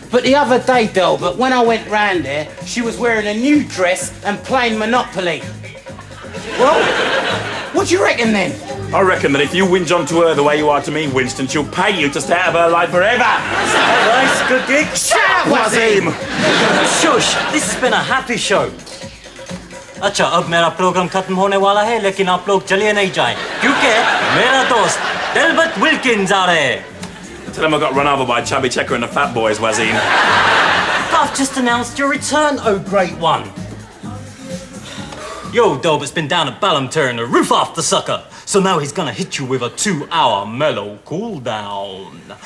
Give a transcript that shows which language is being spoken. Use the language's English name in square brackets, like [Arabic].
[English] But the other day, Delbert, when I went round there, she was wearing a new dress and playing Monopoly. Well, What do you reckon then? I reckon that if you whinge on to her the way you are to me, Winston, she'll pay you to stay out of her life forever. Nice, good gig. Shut up, Wazim! Shush, this has been a happy show. [Hindi] अच्छा, अब मेरा programme खतम होने वाला है, लेकिन आप लोग चलिए नहीं जाए. क्योंकि मेरा दोस्त डेलबर्ट विल्किन्स आ रहे है. [English] Tell him I got run over by a chubby checker and the fat boys, Wazim. I've just announced your return, oh great one. Yo, Delbert's been down at Ballam tearing the roof off the sucker. So now he's gonna hit you with a 2-hour mellow cool down.